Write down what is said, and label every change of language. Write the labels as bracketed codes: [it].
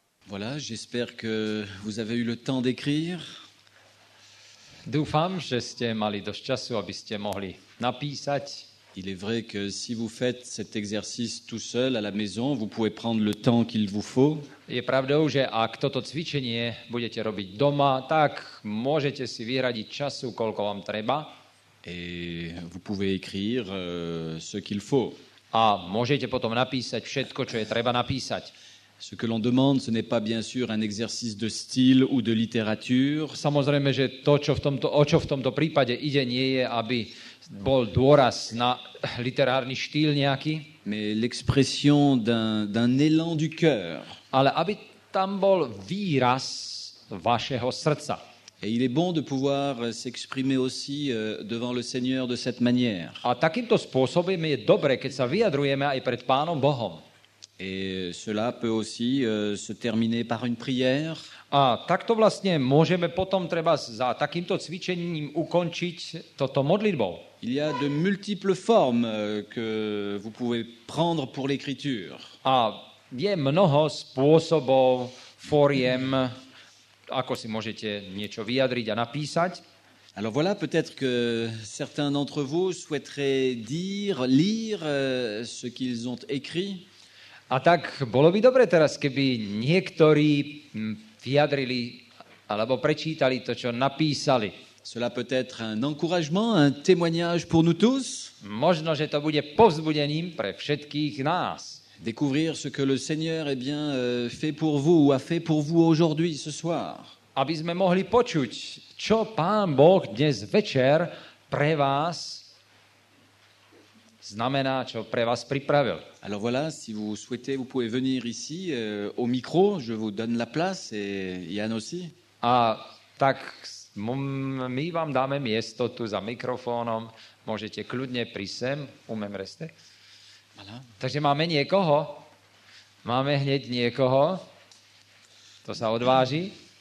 [fr] Voilà, j'espère que vous avez eu le temps d'écrire. [sk] Dúfam, že ste mali dosť času, aby ste mohli napísať. [fr] Il est vrai que si vous faites cet exercice tout seul à la maison, vous pouvez prendre le temps qu'il vous faut. [sk] Je pravdou, že ak toto cvičenie budete robiť doma, tak môžete si vyhradiť času, koľko vám treba. [fr] Et vous pouvez écrire ce qu'il faut. [sk] A môžete potom napísať všetko, čo je treba napísať. [fr] Ce que l'on demande, ce n'est pas bien sûr un exercice de style ou de littérature. [sk] Samozrejme, že to, o čo v tomto prípade ide, nie je, aby bol dôraz na literárny štýl nejaký. [fr] Mais l'expression d'un élan du cœur. [sk] Ale aby tam bol výraz vašeho srdca. [fr] Et il est bon de pouvoir s'exprimer aussi devant le Seigneur de cette manière. [sk] A takýmto spôsobom je dobre, keď sa vyjadrujeme aj pred Pánom Bohom. [fr] Et cela peut aussi se terminer par une prière. [sk] A takto vlastne môžeme potom treba za takýmto cvičením ukončiť toto modlitbou. [fr] Il y a de multiples formes que vous pouvez prendre pour l'écriture. [sk] A je mnoho spôsobov, foriem, ako si môžete niečo vyjadriť a napísať. [fr] Alors voilà, peut-être que certains d'entre vous souhaiteraient dire, lire ce qu'ils ont écrit. [sk] A tak bolo by dobre teraz, keby niektorí vyjadrili alebo prečítali to, čo napísali. [fr] Cela peut être un encouragement, un témoignage pour nous tous. [sk] Možno, že to bude povzbudením pre všetkých nás. [fr] Découvrir ce que le Seigneur eh bien fait pour vous ou a fait pour vous aujourd'hui ce soir. [sk] Aby sme mohli počuť, čo Pán Boh dnes večer pre vás znamená, čo pre vás pripravil. [fr] Alors voilà, si vous souhaitez, vous pouvez venir ici au micro, je vous donne la place et Jan aussi. [sk] A tak my vám dáme miesto tu za mikrofónom, môžete kľudne prísť sem, umem reste. Voilà. Takže máme niekoho, máme hneď niekoho, to sa odváži.